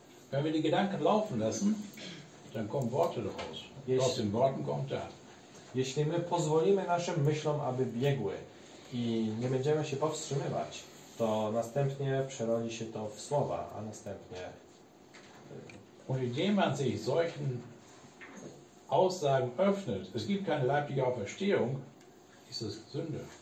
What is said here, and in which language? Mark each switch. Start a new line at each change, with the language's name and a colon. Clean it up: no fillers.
German: Wenn wir die Gedanken laufen lassen, dann kommen Worte daraus. Aus den Worten kommt da.
Polish: Jeśli my pozwolimy naszym myślom, aby biegły i nie będziemy się powstrzymywać, to następnie przerodzi się to w słowa, a następnie...
German: Und indem man sich solchen Aussagen öffnet, es gibt keine leibliche Auferstehung, ist es Sünde.